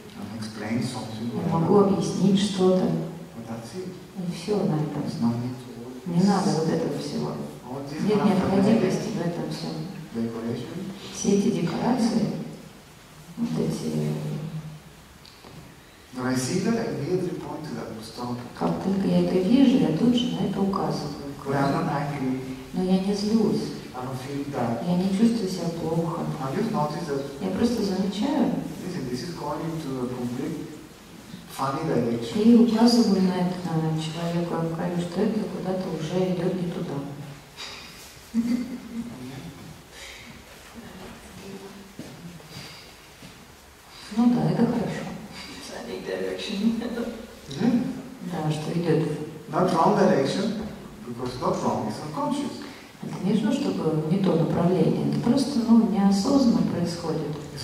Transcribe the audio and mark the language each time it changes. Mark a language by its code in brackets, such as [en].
[en] And explain something. [ru] Я могу объяснить что-то. [en] But that's it. [ru] И все на этом. [en] It's not need to all this. [ru] Не надо вот этого всего. [en] All this [ru] нет необходимости в этом всем. [en] Decoration. [ru] Все эти декорации, вот эти. [en] When I see that, I immediately point to that. Stop. [ru] Как только я это вижу, я тут же на это указываю. [en] But I'm not angry. [ru] Но я не злюсь. [en] I don't feel that. [ru] Я не чувствую себя плохо. Я просто замечаю. [en] Listen, this is going to a complete funny direction. [ru] И указываю на это на человека, говорю, что это куда-то уже идет не туда. Ну да, это хорошо. [en] Funny direction. [ru] Да, что идет. [en] Not wrong direction, because not wrong is unconscious. [ru] Это не нужно, чтобы не то направление. Это просто, ну, неосознанно происходит.